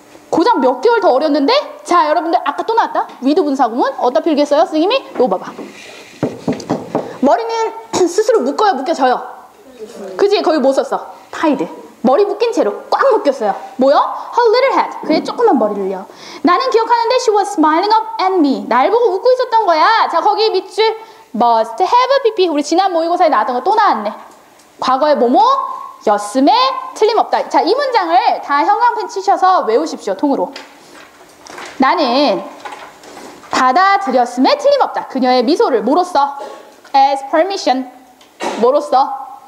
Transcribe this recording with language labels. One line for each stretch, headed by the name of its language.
Korean: 고작 몇 개월 더 어렸는데? 자, 여러분들 아까 또 나왔다, 위드 분사구문. 어디다 필기했어요, 선생님이? 이거 봐봐. 머리는 스스로 묶어요, 묶여져요? 그지? 거기 뭐 썼어? tied. 머리 묶인 채로 꽉 묶였어요. 뭐요? Her little head. 그의 조그만 머리를요. 나는 기억하는데
English: she was smiling up at me.
Korean: 날 보고 웃고 있었던 거야. 자, 거기 밑줄 must have a PP. 우리 지난 모의고사에 나왔던 거 또 나왔네. 과거의 뭐뭐? 였음에 틀림없다. 자, 이 문장을 다 형광펜 치셔서 외우십시오, 통으로. 나는 받아들였음에 틀림없다. 그녀의 미소를 뭐로써? As permission. 뭐로써?